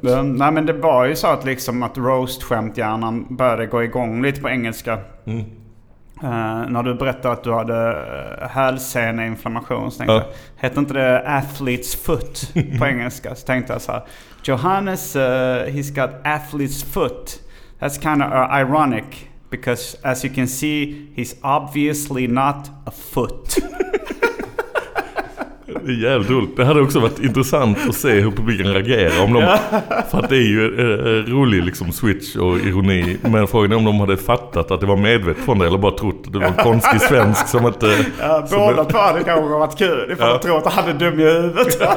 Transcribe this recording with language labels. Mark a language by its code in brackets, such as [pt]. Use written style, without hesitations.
[sv] Nej, men det var ju så att liksom att roast-skämt-hjärnan började gå igång lite på engelska. När du berättade att du hade hälsena-inflammation så tänkte jag, hette inte det athlete's foot på engelska? Så tänkte jag så här, Johannes [en] he's got athlete's foot. That's kind of ironic because as you can see, he's obviously not a foot. [sv] Jävligt roligt. Det hade också varit intressant att se hur publiken reagerar om de, för att det är ju rolig liksom switch och ironi. Men frågan är om de hade fattat att det var medvetet från det eller bara trott att det var konstig svensk som inte... Ja, båda två hade kanske varit kul ifall de trodde att han hade dum i huvudet.